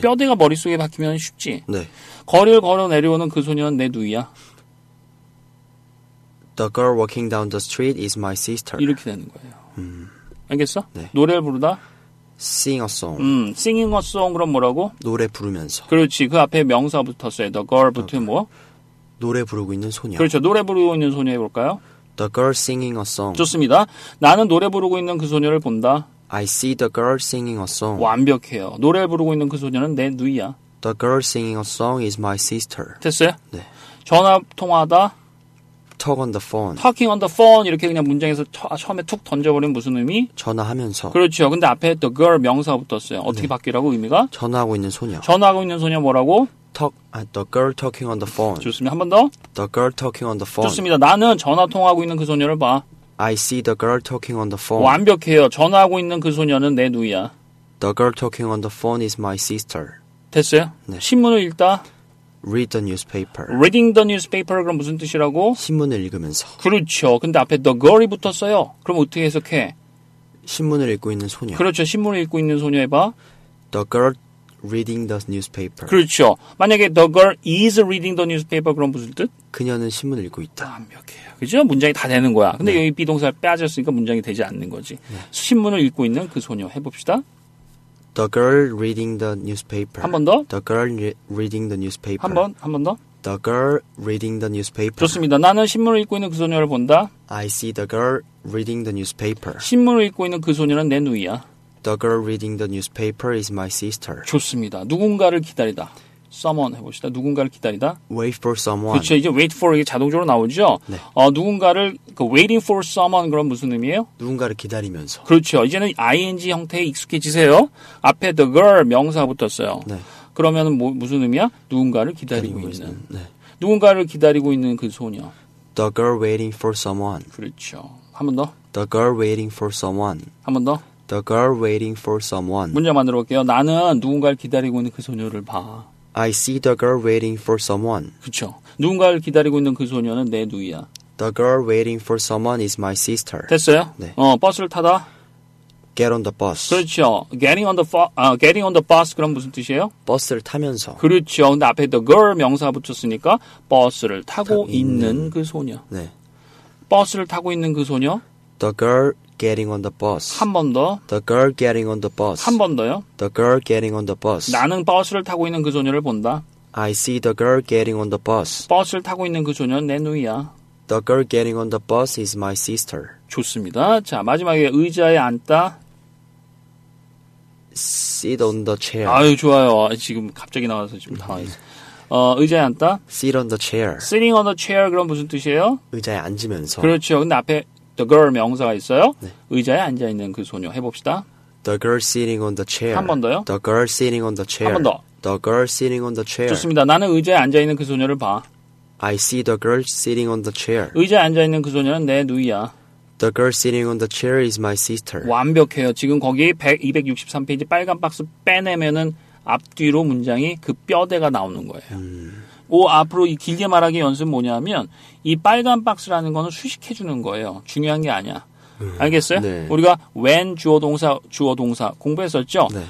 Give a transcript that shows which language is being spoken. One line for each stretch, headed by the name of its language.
Korean: 뼈대가 머릿속에 박히면 쉽지. 네. 거리를 걸어 내려오는 그 소녀는 내 누이야.
English: The girl walking down the street is my sister.
Korean: 이렇게 되는 거예요. 알겠어? 네. 노래를 부르다.
English: Sing a song. Singing a song
Korean: 그럼 뭐라고? 노래 부르면서. 그렇지. 그 앞에 명사 붙었어요. The girl 붙은 뭐? 노래 부르고 있는 소녀. 그렇죠. 노래 부르고 있는 소녀 해볼까요?
English: The girl singing a song.
Korean: 좋습니다. 나는 노래 부르고 있는 그 소녀를 본다.
English: I see the girl singing a song.
Korean: 완벽해요. 노래 부르고 있는 그 소녀는 내 누이야.
English: The girl singing a song is my sister.
Korean: 됐어요? 네. 전화 통화하다.
English: Talk on the phone. Talking on the phone.
Korean: 이렇게 그냥 문장에서 처음에 툭 던져버린 무슨 의미? 전화하면서. 그렇죠. 근데 앞에 the girl 명사 붙었어요. 어떻게 네. 바뀌라고 의미가? 전화하고 있는 소녀. 전화하고 있는 소녀 뭐라고?
English: The girl talking on the phone.
Korean: 좋습니다. 한 번 더.
English: The girl talking on the phone.
Korean: 좋습니다. 나는 전화 통화하고 있는 그 소녀를 봐.
English: I see the girl talking on the phone.
Korean: 완벽해요. 전화하고 있는 그 소녀는 내 누이야.
English: The girl talking on the phone is my sister.
Korean: 됐어요? 네. 신문을 읽다.
English: Read the newspaper. Reading the newspaper
Korean: 그럼 무슨 뜻이라고? 신문을 읽으면서. 그렇죠. 근데 앞에 the girl이 붙었어요. 그럼 어떻게 해석해? 신문을 읽고 있는 소녀. 그렇죠. 신문을 읽고 있는 소녀 해봐.
English: The girl reading the newspaper.
Korean: 그렇죠. 만약에
English: the girl is reading the newspaper
Korean: 그럼 무슨 뜻? 그녀는 신문을 읽고 있다. 완벽해요. 그죠? 문장이 다 되는 거야. 근데 네. 여기 비동사를 빼앗았으니까 문장이 되지 않는 거지. 네. 신문을 읽고 있는 그 소녀 해봅시다.
English: The girl reading the newspaper.
Korean: 한 번 더.
English: The girl reading the newspaper.
Korean: 한 번 더.
English: The girl reading the newspaper.
Korean: 좋습니다. 나는 신문을 읽고 있는 그 소녀를 본다.
English: I see the girl reading the newspaper.
Korean: 신문을 읽고 있는 그 소녀는 내 누이야.
English: The girl reading the newspaper is my sister.
Korean: 좋습니다. 누군가를 기다리다. Someone 해봅시다. 누군가를 기다리다.
English: Wait for someone.
Korean: 그렇죠. 이제 wait for 이게 자동적으로 나오죠. 네. 누군가를 그
English: waiting for someone
Korean: 그럼 무슨 의미예요? 누군가를 기다리면서. 그렇죠. 이제는 ing 형태에 익숙해지세요. 앞에 the girl 명사 붙었어요. 네. 그러면 뭐, 무슨 의미야? 누군가를 기다리고 있는. 네. 누군가를 기다리고 있는 그 소녀.
English: The girl waiting for someone.
Korean: 그렇죠. 한 번 더.
English: The girl waiting for someone.
Korean: 한 번 더.
English: The girl waiting for someone.
Korean: 문장 만들어 볼게요. 나는 누군가를 기다리고 있는 그 소녀를 봐.
English: I see the girl waiting for someone.
Korean: 그렇죠. 누군가를 기다리고 있는 그 소녀는 내 누이야.
English: The girl waiting for someone is my sister.
Korean: 됐어요? 네. 버스를 타다.
English: Get on the bus.
Korean: 그렇죠.
English: Getting on the bus
Korean: 그럼 무슨 뜻이에요? 버스를 타면서. 그렇죠. 근데 앞에 the girl 명사 붙였으니까 버스를 타고 있는 그 소녀. 네. 버스를 타고 있는 그 소녀.
English: The girl getting on the bus.
Korean: 한 번 더.
English: The girl getting on the bus.
Korean: 한 번 더요.
English: The girl getting on the bus.
Korean: 나는 버스를 타고 있는 그 소녀를 본다.
English: I see the girl getting on the bus.
Korean: 버스를 타고 있는 그 소녀는 내 누이야.
English: The girl getting on the bus is my sister.
Korean: 좋습니다. 자, 마지막에 의자에 앉다.
English: Sit on the chair.
Korean: 아유, 좋아요. 지금 갑자기 나와서 지금 당황했어. 의자에 앉다.
English: Sit on the chair. Sitting on the chair
Korean: 그럼 무슨 뜻이에요? 의자에 앉으면서. 그렇죠. 근데 앞에 The girl 명사가 있어요. 네. 의자에 앉아있는 그 소녀 해봅시다.
English: The girl sitting on the chair.
Korean: 한 번 더요.
English: The girl sitting on the chair.
Korean: 한 번 더.
English: The girl sitting on the chair.
Korean: 좋습니다. 나는 의자에 앉아있는 그 소녀를 봐.
English: I see the girl sitting on the chair.
Korean: 의자에 앉아있는 그 소녀는 내 누이야.
English: The girl sitting on the chair is my sister.
Korean: 완벽해요. 지금 거기 263페이지 빨간 박스 빼내면은 앞뒤로 문장이 그 뼈대가 나오는 거예요. 오, 앞으로 이 길게 말하기 연습 뭐냐면 이 빨간 박스라는 거는 수식해 주는 거예요. 중요한 게 아니야. 알겠어요? 네. 우리가 when 주어 동사 공부했었죠? 네.